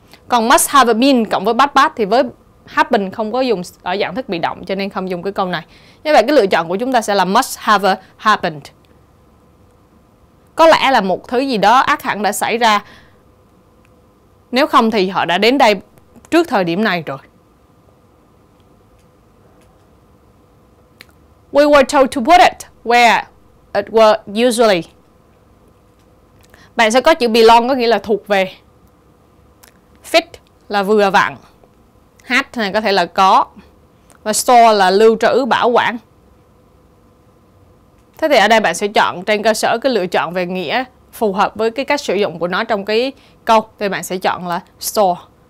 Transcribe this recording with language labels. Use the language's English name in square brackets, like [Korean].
[Vietnamese] Còn must have been cộng với past tense thì với happen không có dùng ở dạng thức bị động cho nên không dùng cái câu này. Như vậy cái lựa chọn của chúng ta sẽ là must have happened. Có lẽ là một thứ gì đó ác hẳn đã xảy ra. Nếu không thì họ đã đến đây trước thời điểm này rồi. [English] We were told to put it where it were usually. [Vietnamese] Bạn sẽ có chữ belong có nghĩa là thuộc về. Fit là vừa vặn. Hat này có thể là có. Và store là lưu trữ, bảo quản. Thế thì ở đây bạn sẽ chọn trên cơ sở cái lựa chọn về nghĩa phù hợp với cái cách sử dụng của nó trong cái câu, thì bạn sẽ chọn là store.